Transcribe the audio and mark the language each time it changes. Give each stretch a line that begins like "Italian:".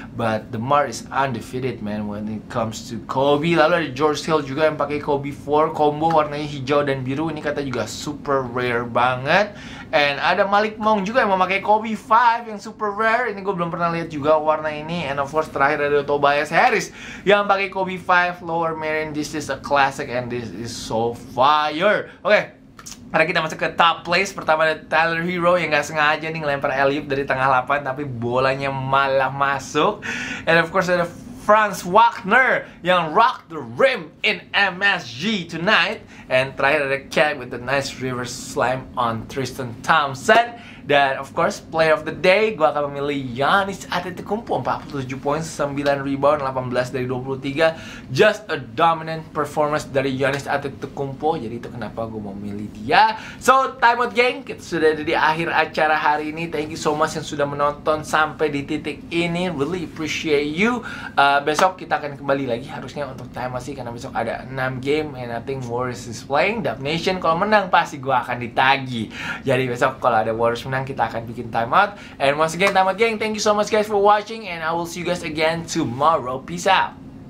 English: But DeMar is undefeated man when it comes to Kobe.
Indonesian: Lalu ada George Hill juga yang pakai Kobe 4. Combo warnanya hijau dan biru. Ini kata juga super rare banget. And ada Malik Monk juga yang memakai Kobe 5 yang super rare. Ini gue belum pernah lihat juga warna ini. And of course terakhir ada Tobias Harris yang pakai Kobe 5 Lower Merin.
English: This is a classic and this is so fire.
Indonesian: Oke, sekarang kita masuk ke top place. Pertama ada Tyler Hero yang gak sengaja nih ngelempar alley-oop dari tengah lapangan tapi bolanya malah masuk.
English: And of course ada Franz Wagner yang rock the rim in MSG tonight. And terakhir ada Cat with the nice river slam on Tristan Thompson. Dan of course player of the day
Indonesian: gue akan memilih
English: Giannis Antetokounmpo.
Indonesian: 47 poin, 9 rebound, 18 dari 23.
English: Just a dominant performance dari Giannis Antetokounmpo.
Indonesian: Jadi itu kenapa gue mau memilih dia. So time out geng, kita sudah ada di akhir acara hari ini.
English: Thank you so much
Indonesian: yang sudah menonton sampai di titik ini.
English: Really appreciate you.
Indonesian: Besok kita akan kembali lagi harusnya untuk time out sih, karena besok ada 6 game.
English: And I think Warriors is playing Dub Nation.
Indonesian: Kalau menang pasti gue akan ditagi. Jadi besok kalau ada Warriors menang kita akan bikin time out.
English: And once again time out gang, thank you so much guys for watching and I will see you guys again tomorrow. Peace out.